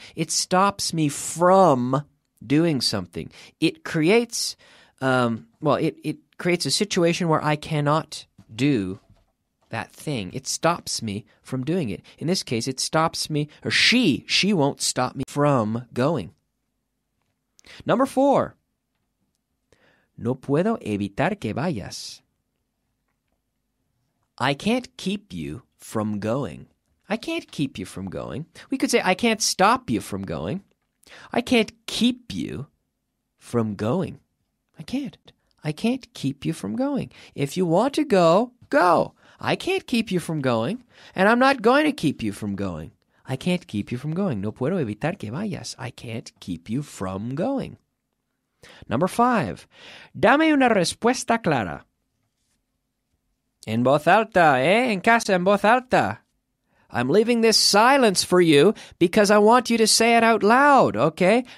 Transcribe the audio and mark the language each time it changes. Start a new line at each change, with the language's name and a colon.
English: It stops me from doing something. It creates, it creates a situation where I cannot do that thing. It stops me from doing it. In this case, it stops me, or she won't stop me from going. Number four.
Spanish: No puedo evitar que vayas.
English: I can't keep you from going. I can't keep you from going. We could say, I can't stop you from going. I can't keep you from going. I can't. I can't keep you from going. If you want to go, go. I can't keep you from going, and I'm not going to keep you from going. I can't keep you from going.
Spanish: No puedo evitar que vayas.
English: I can't keep you from going. Number five.
Spanish: Dame una respuesta clara. En voz alta, eh? En casa, en voz alta.
English: I'm leaving this silence for you because I want you to say it out loud, okay?